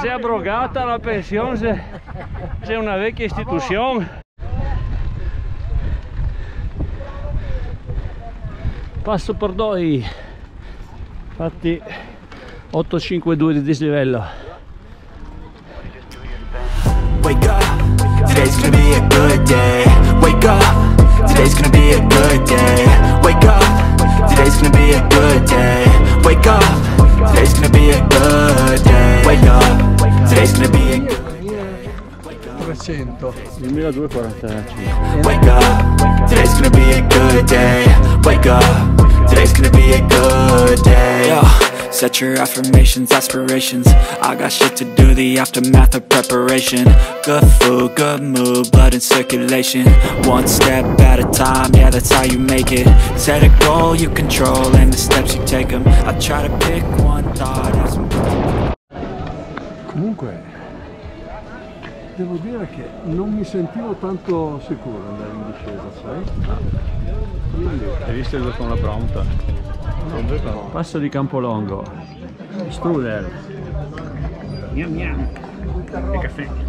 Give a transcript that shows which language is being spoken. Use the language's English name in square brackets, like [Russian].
[Italian] Sei abrogata la pensione, sei una vecchia istituzione. Passo per doi, infatti 852 di dislivello. [English] Wake up, today's gonna be a good day. Wake up, today's gonna be a good day. Wake up, today's gonna be a good day. Wake up, today's gonna be a good day. Wake up, today's gonna be a good day. Wake up, today's gonna be a good day. Wake up. Today's gonna be a good day. Yo, set your affirmations, aspirations. I got shit to do, the aftermath of preparation. Good food, good mood, blood in circulation. One step at a time, yeah, that's how you make it. Set a goal you control and the steps you take them. I try to pick one thought as I'm... [Italian] Comunque, devo dire che non mi sentivo tanto sicuro andare in discesa, sai? Hai visto il due con la Brompton? Passo di Campolongo, strudel, miam miam e caffè.